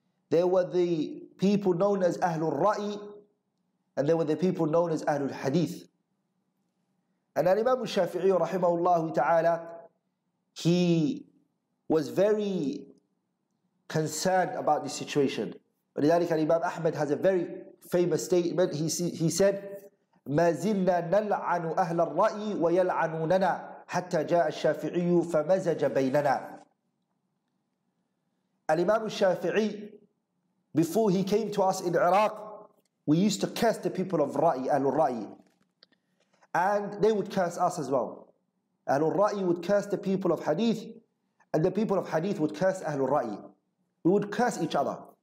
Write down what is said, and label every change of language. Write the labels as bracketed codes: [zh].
[en] There were the people known as Ahlul Ra'i, and there were the people known as Ahlul Hadith. And Al-Imam al-Shafi'i, rahimahullah ta'ala, he was very concerned about this situation. But Al-Imam Ahmad has a very famous statement. He said, [ar] مَا زِلَّا نَلْعَنُ أَهْلَ الرَّأِي وَيَلْعَنُونَنَا حَتَّى جَاءَ الشَّافِعِيُّ فَمَزَجَ بَيْنَنَا. [en] Al-Imam Shafi'i, before he came to us in Iraq, we used to curse the people of Ra'i, Ahlul Ra'i. And they would curse us as well. Ahlul Ra'i would curse the people of Hadith, and the people of Hadith would curse Ahlul Ra'i. We would curse each other.